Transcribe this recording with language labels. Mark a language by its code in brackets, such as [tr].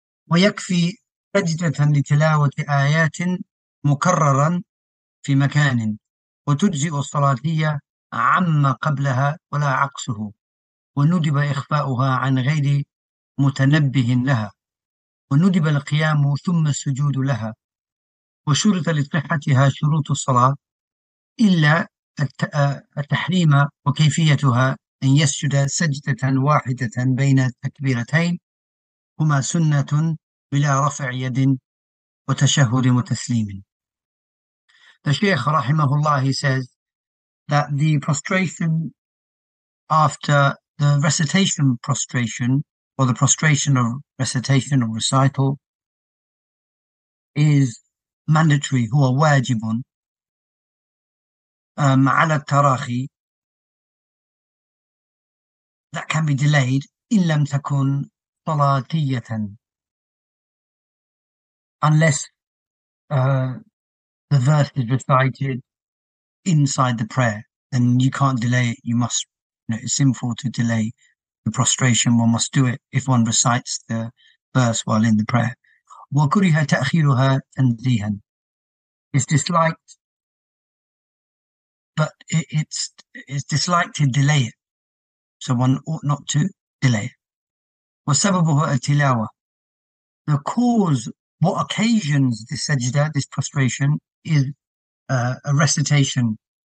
[ar] ويكفي سجدة لتلاوة آيات مكررا في مكان وتجزئ الصلاتية عما قبلها ولا عكسه وندب إخفاؤها عن غير متنبه لها وندب القيام ثم السجود لها وشرط لصحتها شروط الصلاة إلا التحريم وكيفيتها أن يسجد سجدة واحدة بين التكبيرتين هما سنة بلا رفع يد وتشهد متسليم. [en] The Shaykh rahimahullah, he says that the prostration after the recitation prostration or the prostration of recitation or recital is mandatory, [ar] huwa wajibun, على التراخي, [en] that can be delayed [ar] إن لم تكن صلاتية, [en] unless the verse is recited inside the prayer, then you can't delay it. You must, you know, it's sinful to delay the prostration. One must do it if one recites the verse while in the prayer. [ar] وكره تأخيرها تنزيها, [en] it's disliked. But it's disliked to delay it, so one ought not to delay it. [ar] وَسَبَبُهُ التِلاوة, [en] the cause, what occasions this sajda, this prostration, is a recitation.